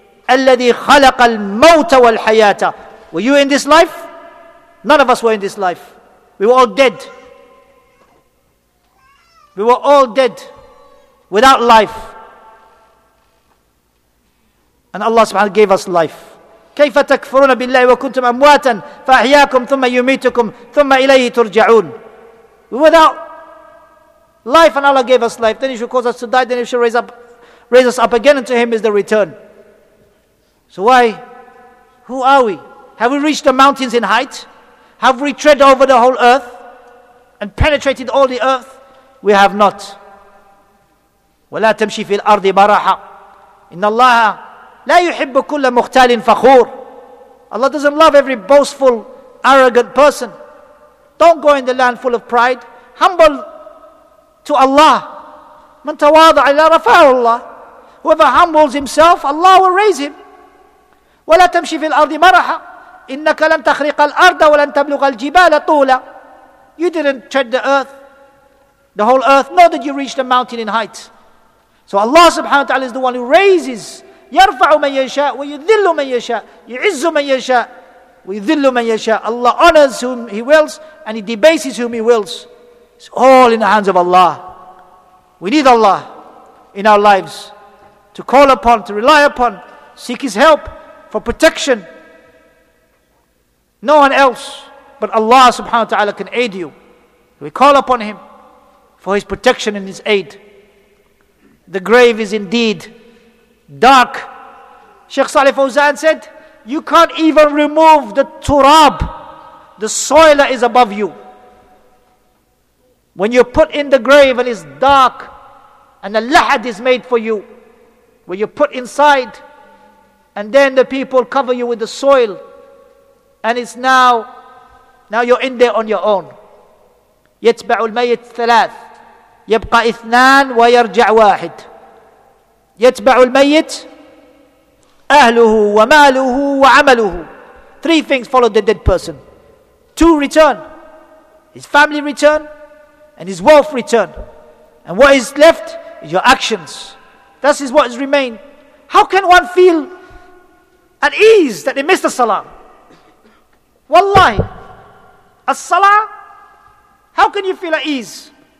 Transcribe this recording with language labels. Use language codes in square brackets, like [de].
[ar] Alladhi khalaqa al-mawta wal-hayata. [en] Were you in this life? None of us were in this life. We were all dead. We were all dead without life. And Allah subhanahu wa ta'ala gave us life. [ar] كيف تكفرون بالله وكنتم أمواتا فأحياكم ثم يميتكم ثم إليه ترجعون. [en] Without life, and Allah gave us life, then He should cause us to die, then He should raise us up again, and to Him is the return. So why? Who are we? Have we reached the mountains in height? Have we tread over the whole earth and penetrated all the earth? We have not. [ar] ولا تمشي في الأرض براحة إن الله لا يحب كل مختال فخور. [en] Allah doesn't love every boastful, arrogant person. Don't go in the land full of pride. Humble to Allah. [ar] من تواضع إلى رفعه الله. [en] Whoever humbles himself, Allah will raise him. [ar] ولا تمشي في الأرض مرحا. إنك لن تخرق الأرض ولن تبلغ الجبال طولا. [en] You didn't tread the earth, the whole earth, nor did you reach the mountain in height. So Allah subhanahu wa ta'ala is the one who raises. [ar] يرفع من يشاء ويذل من يشاء يعز من يشاء ويذل من يشاء. [en] Allah honors whom He wills and He debases whom He wills. It's all in the hands of Allah. We need Allah in our lives to call upon, to rely upon, seek His help for protection. No one else but Allah subhanahu wa ta'ala can aid you. We call upon Him for His protection and His aid. The grave is indeed dark. Sheikh Saleh Fawzan said, you can't even remove the turab, the soil that is above you. When you're put in the grave and it's dark, and the lahad is made for you, when you're put inside, and then the people cover you with the soil, and it's now you're in there on your own. [ar] يتبع الميت ثلاث يبقى اثنان ويرجع واحد. يتبع الميت أهله وماله وعمله. [en] Three things follow the dead person. Two return. His family return and his wealth return. And what is left is your actions. That is what has remained. How can one feel at ease that they missed the salah? Wallahi, a salah, how can you feel at ease?